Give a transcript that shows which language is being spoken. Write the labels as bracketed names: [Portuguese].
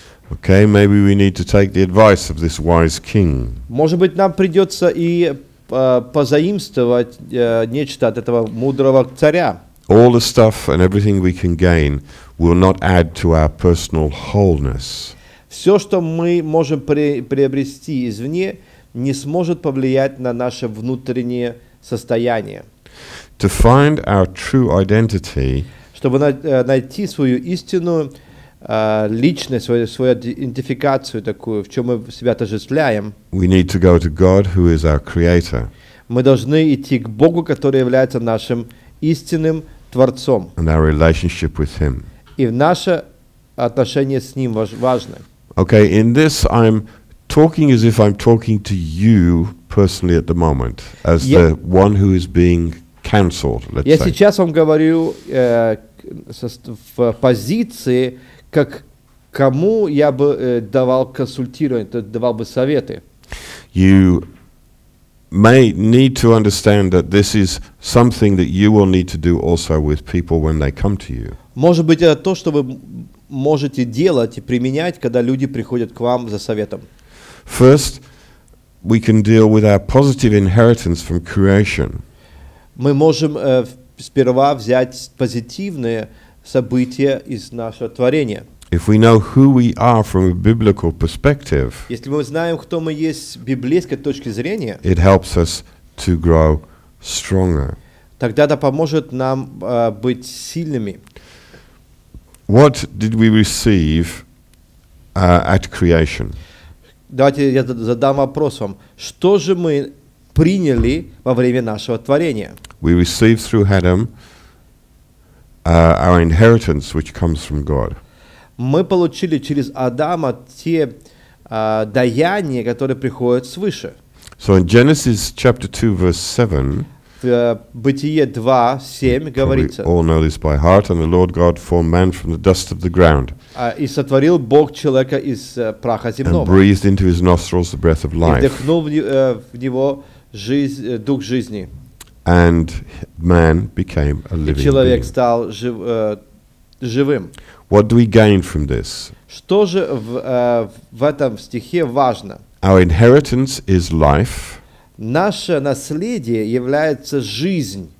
[English] Okay, maybe we need to take the advice of this wise king. [Russian] Может быть, нам придется и позаимствовать нечто от этого мудрого царя. [English] All the stuff and everything we can gain will not add to our personal wholeness. [Russian] Все, что мы можем приобрести извне, не сможет повлиять на наше внутреннее состояние. [English] To find our true identity. [Russian] Чтобы найти свою истинную личность, свою идентификацию такую, в чем мы себя отождествляем. [English] We need to go to God, who is our creator. [Russian] Мы должны идти к Богу, который является нашим истинным Творцом. [English] And our relationship with Him. [Russian] И наше отношение с Ним важно. [English] Okay, in this I'm talking as if I'm talking to you personally at the moment, as the one who is being counseled, let's [Russian] Я [English] say. [Russian] Сейчас вам говорю в позиции, как кому я бы давал консультирование, давал бы советы. [English] You may need to understand that this is something that you will need to do also with people when they come to you. [Russian] Может быть, это то, что вы можете делать и применять, когда люди приходят к вам за советом. [English] First, we can deal with our positive inheritance from creation. [Russian] Мы можем сперва взять позитивные события из нашего творения. [English] If we know who we are from a biblical perspective, [Russian] если мы знаем, кто мы есть с библейской точки зрения, [English] it helps us to grow stronger. [Russian] Тогда это поможет нам быть сильными. [English] What did we receive at creation? [Russian] Давайте я задам вопрос вам. Что же мы приняли во время нашего творения? [English] We receive through Adam our inheritance, which comes from God. [Russian] Мы получили через Адама те даяния, которые приходят свыше. [English] So in Genesis chapter 2, verse 7, [Russian] Бытие 2, 7 говорится, [English] we all know this by heart, and the Lord God formed man from the dust of the ground. [Russian] И сотворил Бог человека из праха земного. [English] And breathed into his nostrils the breath of life. [Russian] И вдохнул в него дух жизни. [English] And man became a living being. [Russian] Человек стал живым. [English] What do we gain from this? [Russian] Что же в этом стихе важно? [English] Our inheritance is life. [Russian] Наше наследие является жизнь.